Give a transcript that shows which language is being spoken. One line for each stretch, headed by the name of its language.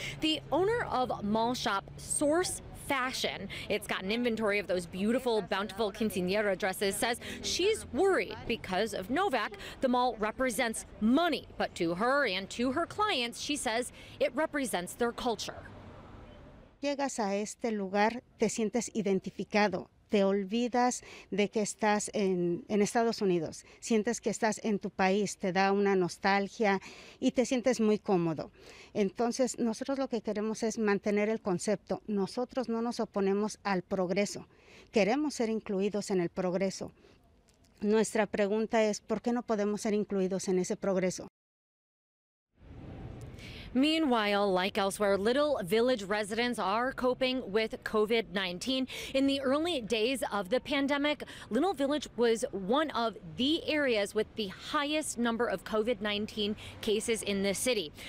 English: The owner of mall shop Source Fashion, it's got an inventory of those beautiful, bountiful quinceañera dresses, says she's worried because of Novak. The mall represents money, but to her and to her clients, she says it represents their culture.
Spanish: Llegas a este lugar, te sientes identificado. Te olvidas de que estás en Estados Unidos. Sientes que estás en tu país, te da una nostalgia y te sientes muy cómodo. Entonces, nosotros lo que queremos es mantener el concepto. Nosotros no nos oponemos al progreso. Queremos ser incluidos en el progreso. Nuestra pregunta es, ¿por qué no podemos ser incluidos en ese progreso?
English: Meanwhile, like elsewhere, Little Village residents are coping with COVID-19. In the early days of the pandemic, Little Village was one of the areas with the highest number of COVID-19 cases in the city.